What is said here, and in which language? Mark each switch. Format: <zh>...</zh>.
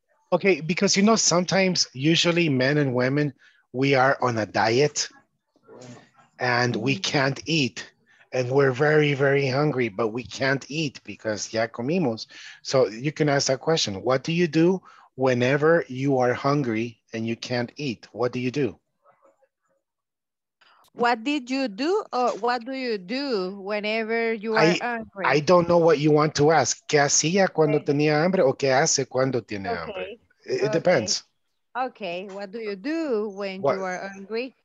<en>Okay, because you know, sometimes, usually men and women, we are on a diet and we can't eat and we're very, very hungry, but we can't eat because</en> <es>ya comimos.</es> <en>So you can ask that question. What do you do whenever you are hungry and you can't eat? What do you do? What did you do or what do you do whenever you are hungry? I don't know what you want to ask.</en> <es>¿Qué hacía cuando tenía hambre o qué hace cuando tiene hambre?</es> <en>It depends. Okay, what do you do when you are hungry?</en>